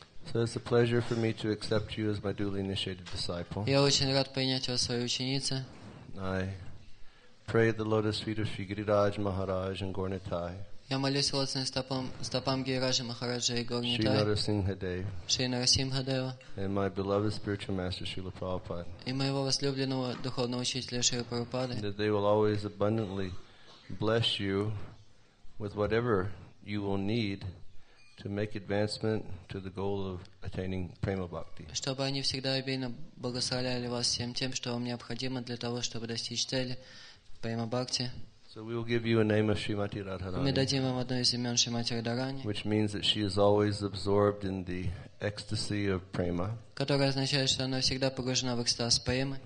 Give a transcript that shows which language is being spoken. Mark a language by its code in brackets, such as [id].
[en] So it's a pleasure for me to accept you as my duly initiated disciple. [ru] Я очень рад принять вас своей ученицей. [en] I pray the lotus feet of Shri Giriraj Maharaj and Gaur Nitai. [ru] Я молюсь лотосным стопам Гирираджа Махараджа и Гаур Нитай. Шри Нарасимхадева. [en] And my beloved spiritual master Srila Prabhupada. [ru] И моего возлюбленного духовного учителя Шри Прабхупады. [en] That they will always abundantly bless you with whatever you will need to make advancement to the goal of attaining prema bhakti. [ru] Чтобы они всегда обильно благословляли вас всем тем, что вам необходимо для того, чтобы достичь цели према бхакти. [en] So we will give you a name of Srimati Radharani. [ru] Мы дадим вам одно из имен Шримати Радхарани. [en] Which means that she is always absorbed in the ecstasy of prema. [ru] Которое означает, что она всегда погружена в экстаз премы.